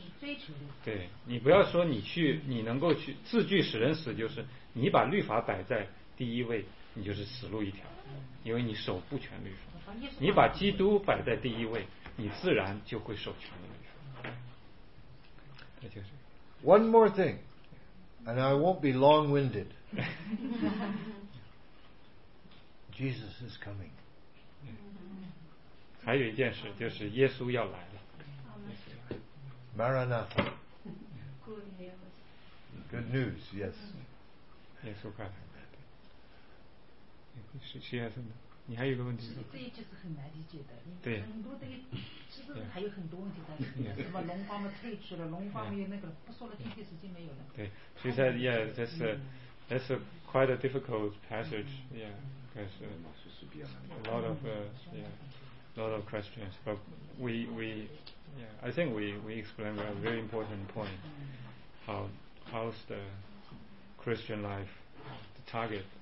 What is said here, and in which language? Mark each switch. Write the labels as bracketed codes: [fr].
[zh] 追求律法。对，你不要说你去，你能够去字句使人死，就是你把律法摆在第一位，你就是死路一条，因为你守不全律法。你把基督摆在第一位，你自然就会守全律法。那就是。 [en] One more thing, and I won't be long-winded. Jesus is coming. [zh] 还有一件事，就是耶稣要来了。 [arc] Maranatha. [en] Good news. Good news. Yes. [zh] 耶稣快来。是耶稣的。你还有个问题？这一句是很难理解的，因为很多的，其实还有很多问题在里面。什么龙方的退去了，龙方也那个不说了，具体时间没有了。对，所以说 [en] ，yeah, that's a quite a difficult passage. Yeah, because a lot of questions. But I think we explained a very important point. How's the Christian life the target?